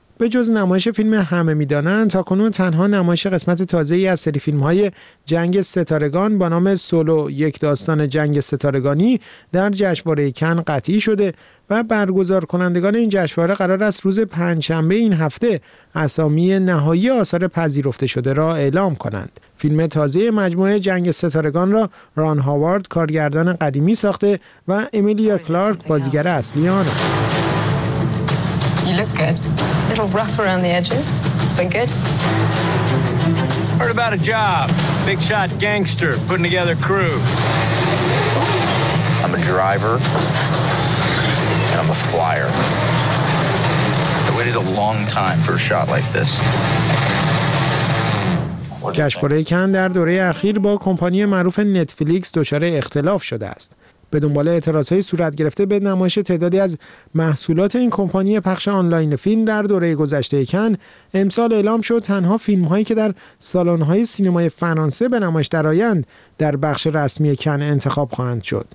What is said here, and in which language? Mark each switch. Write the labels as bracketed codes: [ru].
[fa] به جز نمایش فیلم همه می‌دانند، تا کنون تنها نمایش قسمت تازه‌ای از سری فیلم‌های جنگ ستارگان با نام سولو، یک داستان جنگ ستارگانی در جشنواره کن قطعی شده و برگزار کنندگان این جشنواره قرار است روز پنجشنبه این هفته اسامی نهایی آثار پذیرفته شده را اعلام کنند. فیلم تازه مجموعه جنگ ستارگان را ران هاوارد کارگردان قدیمی ساخته و امیلیا کلارک بازیگر اصلی آن است. [en] A little rough around the edges, but good. Heard about a job. Big shot gangster putting together crew. I'm a driver, and I'm a flyer. I waited a long time for a shot like this. [fa] جشنواره کن در دوره اخیر با کمپانی معروف نتفلیکس دچار اختلاف شده است. به دنبال اعتراض‌های صورت گرفته به نمایش تعدادی از محصولات این کمپانی پخش آنلاین فیلم در دوره گذشته کن، امسال اعلام شد تنها فیلم‌هایی که در سالن‌های سینمای فرانسه به نمایش درآیند در بخش رسمی کن انتخاب خواهند شد.